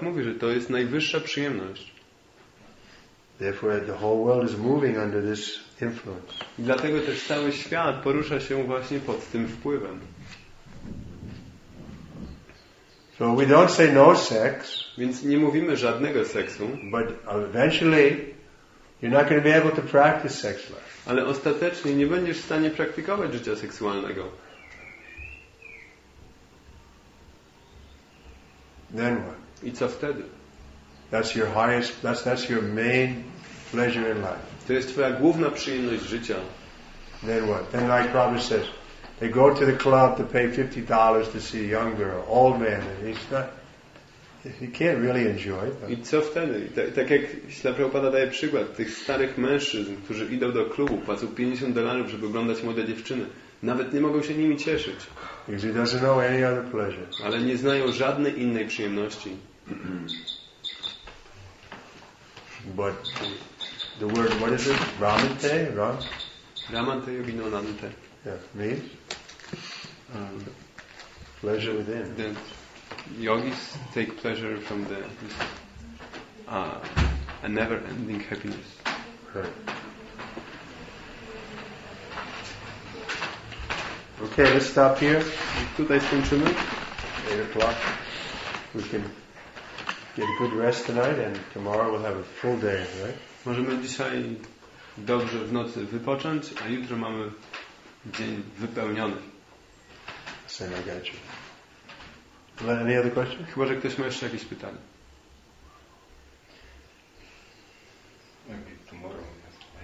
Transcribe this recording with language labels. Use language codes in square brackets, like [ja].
[pl] mówi, że to jest najwyższa przyjemność. [en] Therefore, the whole world is moving under this influence. [pl] Dlatego też cały świat porusza się właśnie pod tym wpływem. [en] So we don't say no sex. [pl] Więc nie mówimy żadnego seksu. [en] But eventually, you're not going to be able to practice sex life. [pl] Ale ostatecznie nie będziesz w stanie praktykować życia seksualnego. [en] Then what? [pl] I co wtedy? [en] That's your highest. That's your main pleasure in life. [pl] To jest twoja główna przyjemność życia. [en] Then what? Then like Robert says, they go to the club to pay $50 to see a young girl, old man. He's not. He can't really enjoy it. [pl] I co wtedy? Tak jak Śla Prabhupada daje przykład tych starych mężczyzn, którzy idą do klubu, płacą $50, żeby oglądać młode dziewczyny. Nawet nie mogą się nimi cieszyć. [en] Because he doesn't know any other pleasure. [pl] Ale nie znają żadnej innej przyjemności. [en] But the word, what is it? Ramante? [sa] Ramante yoginonante. [en] Yeah, means? Pleasure within. The yogis take pleasure from the a never-ending happiness. Right. Okay, let's stop here. [pl] Tutaj skończymy. [en] 8 o'clock. We can get a good rest tonight, and tomorrow we'll have a full day, right? [pl] Możemy dzisiaj dobrze w nocy wypocząć, a jutro mamy dzień wypełniony. [en] Same, I got you. Any other question? [pl] Chyba, że ktoś ma jeszcze jakieś pytanie. [en] Maybe tomorrow. I